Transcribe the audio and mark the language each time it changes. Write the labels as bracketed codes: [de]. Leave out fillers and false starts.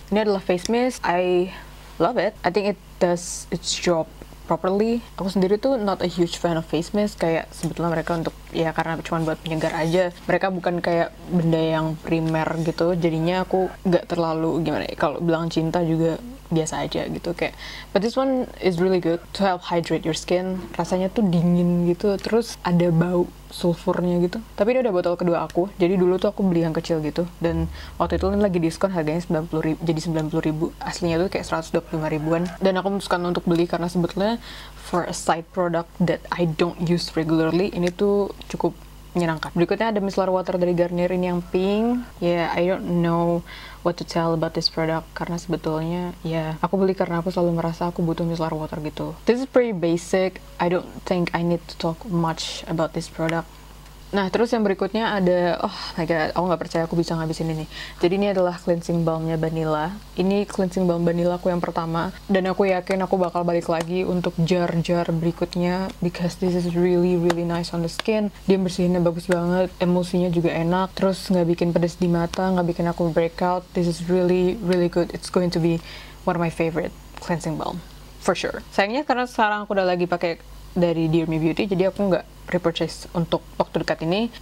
[id] Ini adalah [en] face mist. I love it. I think it does its job properly. [id] Aku sendiri tuh [en] not a huge fan of face mist. [id] Kayak sebetulnya mereka untuk, ya karena cuma buat penyegar aja. Mereka bukan kayak benda yang primer gitu. Jadinya aku nggak terlalu gimana. Kalau bilang cinta juga biasa aja gitu kayak. [en] But this one is really good to help hydrate your skin. [id] Rasanya tuh dingin gitu, terus ada bau sulfurnya gitu. Tapi ini udah botol kedua aku. Jadi dulu tuh aku beli yang kecil gitu, dan waktu itu ini lagi diskon, harganya 90 ribu, jadi 90 ribu. Aslinya tuh kayak 125 ribuan. Dan aku memutuskan untuk beli karena sebetulnya [en] for a side product that I don't use regularly, [id] ini tuh cukup menyenangkan. Berikutnya ada micellar water dari Garnier, ini yang pink. [en] Yeah, I don't know what to tell about this product [id] karena sebetulnya, yeah, aku beli karena aku selalu merasa aku butuh micellar water gitu. [en] This is pretty basic. I don't think I need to talk much about this product. [id] Nah, terus yang berikutnya ada, [en] oh my god, [id] aku nggak percaya aku bisa ngabisin ini. Jadi ini adalah cleansing balmnya Vanilla. Ini cleansing balm Vanilla aku yang pertama. Dan aku yakin aku bakal balik lagi untuk jar-jar berikutnya. [en] Because this is really, really nice on the skin. [id] Dia bersihinnya bagus banget, emulsinya juga enak. Terus nggak bikin pedes di mata, nggak bikin aku breakout. [en] This is really, really good. It's going to be one of my favorite cleansing balm. For sure. [id] Sayangnya karena sekarang aku udah lagi pakai dari Dear Me Beauty, jadi aku nggak repurchase untuk waktu dekat ini.